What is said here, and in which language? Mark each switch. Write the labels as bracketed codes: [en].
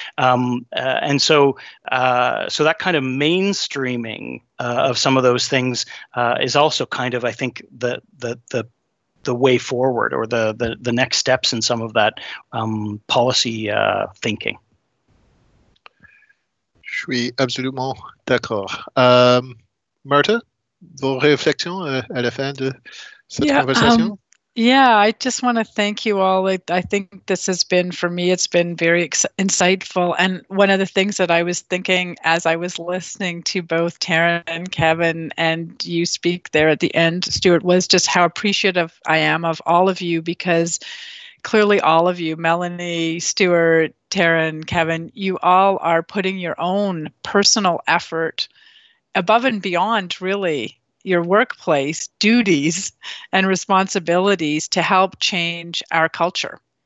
[en] So that kind of mainstreaming of some of those things is also kind of, I think, the way forward, or the next steps in some of that policy thinking. [fr] Je suis absolument d'accord. Marta, vos réflexions à la fin de cette conversation? [en] Yeah, I just want to thank you all. I think this has been, for me, it's been very insightful. And one of the things that I was thinking as I was listening to both Taryn and Kevin and you speak there at the end, Stuart, was just how appreciative I am of all of you, because clearly all of you, Melanie, Stuart, Taryn, Kevin, you all are putting your own personal effort above and beyond, really, your workplace duties and responsibilities to help change our culture.